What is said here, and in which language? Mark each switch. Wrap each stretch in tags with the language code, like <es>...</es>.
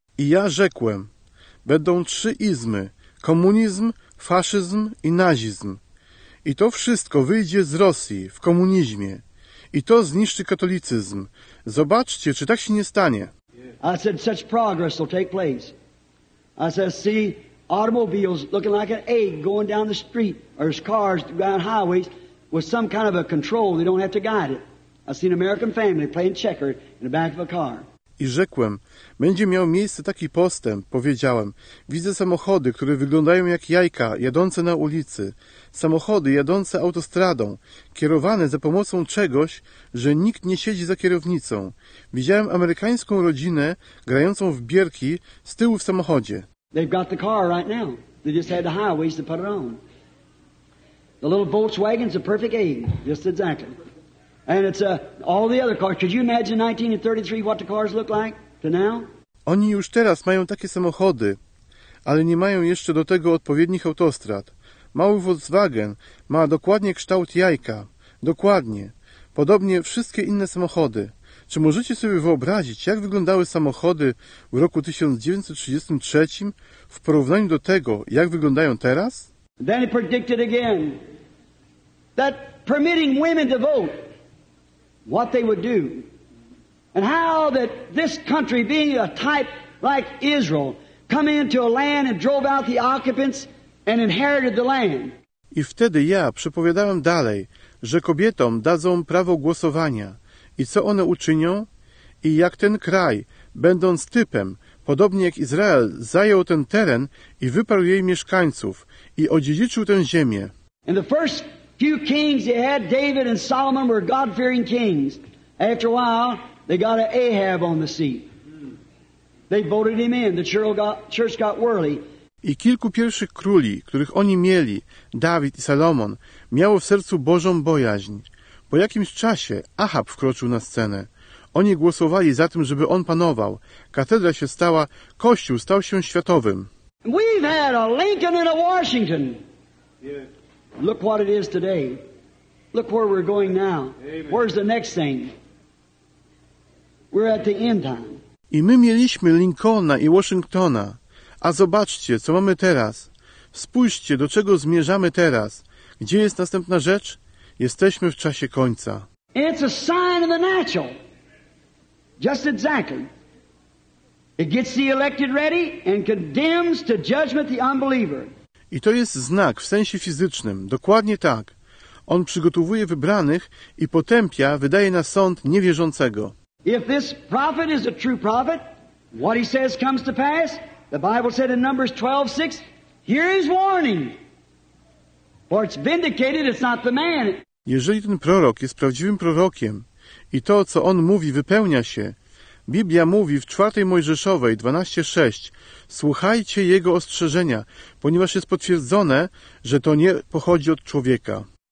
<pl>I ja rzekłem, będą trzy izmy, komunizm, faszyzm i nazizm. I to wszystko wyjdzie z Rosji, w komunizmie. I to zniszczy katolicyzm. Zobaczcie, czy tak się nie stanie.</pl> <en>I said, such progress will take place. I said, see, automobiles looking like an egg going down the street, or cars down highways with some kind of a control, they don't have to guide it. I seen an American family playing checkers in the back of a car.</en> <pl>I rzekłem, będzie miał miejsce taki postęp, powiedziałem, widzę samochody, które wyglądają jak jajka, jadące na ulicy, samochody jadące autostradą, kierowane za pomocą czegoś, że nikt nie siedzi za kierownicą. Widziałem amerykańską rodzinę, grającą w bierki, z tyłu w samochodzie.</pl> <en>They've got the car right now. They just had the highways to put it on. The little Volkswagen's a perfect aid, just exactly. And it's all the other cars. Could you imagine 1933 what the cars look like to now?</en> <pl>Oni już teraz mają takie samochody, ale nie mają jeszcze do tego odpowiednich autostrad. Mały Volkswagen ma dokładnie kształt jajka. Dokładnie. Podobnie wszystkie inne samochody. Czy możecie sobie wyobrazić, jak wyglądały samochody w roku 1933 w porównaniu do tego, jak wyglądają teraz?</pl> <en>Then he predicted again that permitting women to vote, what they would do, and how that this country, being a type like Israel, come into a land and drove out the occupants and inherited the land.</en> <pl>I wtedy ja przepowiadałem dalej, że kobietom dadzą prawo głosowania. I co one uczynią? I jak ten kraj, będąc typem, podobnie jak Izrael, zajął ten teren i wyparł jej mieszkańców i odziedziczył tę ziemię.</pl> <en>And the first few kings they had, David and Solomon, were God-fearing kings. After a while, they got an Ahab on the seat. They voted him in. The church got worldly.</en> <pl>I kilku pierwszych króli, których oni mieli, Dawid i Salomon, miało w sercu Bożą bojaźń. Po jakimś czasie Achab wkroczył na scenę. Oni głosowali za tym, żeby on panował. Katedra się stała, kościół stał się światowym.</pl> <en>We've had a Lincoln and a Washington. Yeah. Look what it is today. Look where we're going now. Amen. Where's the next thing? We're at the end time.</en> <pl>I my mieliśmy Lincolna i Washingtona. A zobaczcie, co mamy teraz. Spójrzcie, do czego zmierzamy teraz. Gdzie jest następna rzecz? Jesteśmy w czasie końca.</pl> <en>It's a sign of the natural. Just exactly. It gets the elected ready and condemns to judgment the unbeliever.</en> <pl>I to jest znak w sensie fizycznym. Dokładnie tak. On przygotowuje wybranych i potępia, wydaje na sąd niewierzącego.</pl> <en>If this prophet is a true prophet, what he says comes to pass. The Bible said in Numbers 12:6, here is warning. For it's vindicated, it's not the man.</en> <pl>Jeżeli ten prorok jest prawdziwym prorokiem i to, co on mówi, wypełnia się, Biblia mówi w 4 Mojżeszowej 12:6, słuchajcie jego ostrzeżenia, ponieważ jest potwierdzone, że to nie pochodzi od człowieka.</pl>